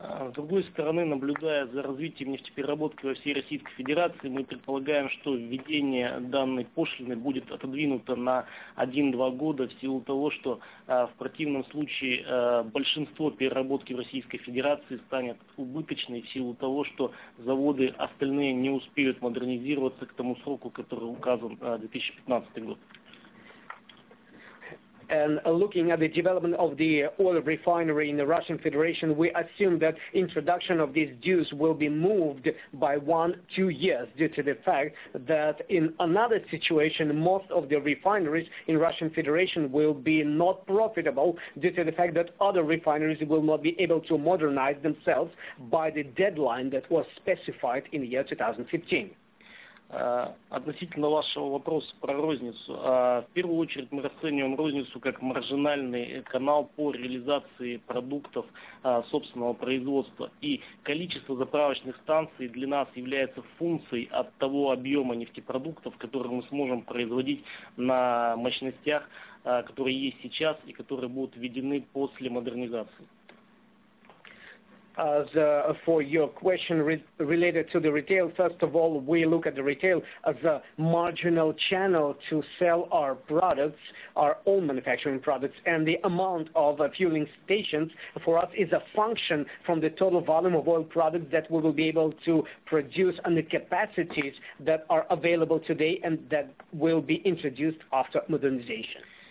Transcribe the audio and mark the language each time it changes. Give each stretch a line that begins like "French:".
Russian: С другой стороны, наблюдая за развитием нефтепереработки во всей Российской Федерации, мы предполагаем, что введение данной пошлины будет отодвинуто на 1-2 года в силу того, что в противном случае большинство переработки в Российской Федерации станет убыточной в силу того, что заводы остальные не успеют модернизироваться к тому сроку, который указан 2015 год.
English: And looking at the development of the oil refinery in the Russian Federation, we assume that introduction of these dues will be moved by 1-2 years due to the fact that in another situation, most of the refineries in Russian Federation will be not profitable due to the fact that other refineries will not be able to modernize themselves by the deadline that was specified in the year 2015.
Russian: Относительно вашего вопроса про розницу, в первую очередь мы расцениваем розницу как маржинальный канал по реализации продуктов собственного производства. И количество заправочных станций для нас является функцией от того объема нефтепродуктов, которые мы сможем производить на мощностях, которые есть сейчас и которые будут введены после модернизации.
English: As for your question related to the retail, first of all, we look at the retail as a marginal channel to sell our products, our own manufacturing products, and the amount of fueling stations for us is a function from the total volume of oil products that we will be able to produce and the capacities that are available today and that will be introduced after modernization.